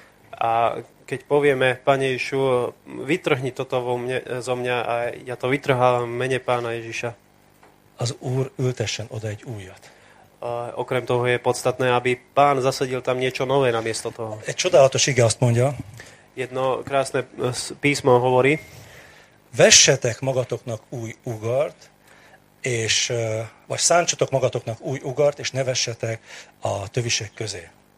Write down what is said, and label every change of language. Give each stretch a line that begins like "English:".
Slovak: A keď povieme, Pane Ježišu, vytrhni toto vo mne, zo mňa, a ja to vytrhávam mene Pána Ježiša.
Hungarian: Az Úr ültessen oda egy újat.
Slovak: Okrem toho je podstatné, aby Pán zasadil tam niečo nové namiesto toho.
Hungarian: Egy csodálatos ige azt mondja.
Slovak: Jedno krásne písmo hovorí.
Hungarian: Vessetek magatoknak új ugart, és vagy szántsatok magatoknak új ugart, és ne vessetek a tövisek közé.